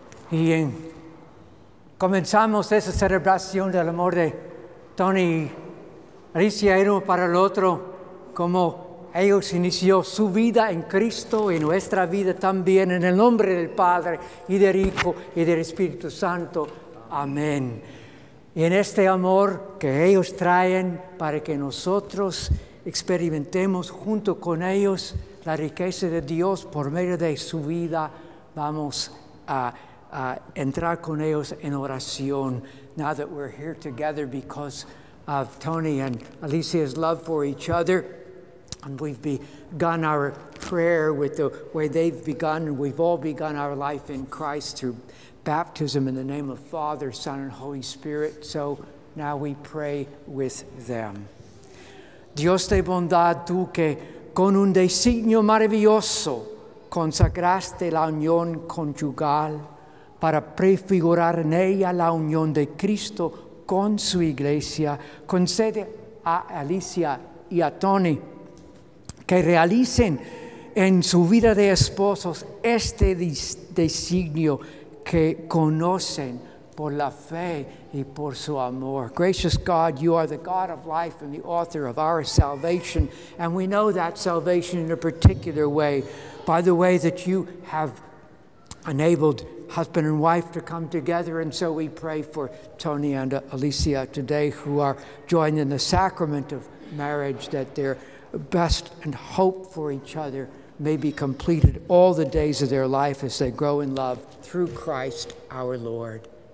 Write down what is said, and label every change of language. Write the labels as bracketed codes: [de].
[es] Y comenzamos esa celebración del amor de Tony y Alicia, uno para el otro, como ellos inició su vida en Cristo y nuestra vida también, en el nombre del Padre y del Hijo y del Espíritu Santo. Amén. Y en este amor que ellos traen para que nosotros experimentemos junto con ellos la riqueza de Dios por medio de su vida, vamos a entrar con ellos en oración. [en] Now that we're here together because of Tony and Alicia's love for each other, and we've begun our prayer with the way they've begun, and we've all begun our life in Christ through baptism in the name of Father, Son, and Holy Spirit. So now we pray with them. [es] Dios de bondad, tú que con un designio maravilloso consagraste la unión conyugal para prefigurar en ella la unión de Cristo con su iglesia, concede a Alicia y a Tony que realicen en su vida de esposos este designio que conocen por la fe y por su amor. [en] Gracious God, you are the God of life and the author of our salvation. And we know that salvation in a particular way, by the way that you have enabled husband and wife to come together. And so we pray for Tony and Alicia today, who are joined in the sacrament of marriage, that their best and hope for each other may be completed all the days of their life as they grow in love through Christ our Lord.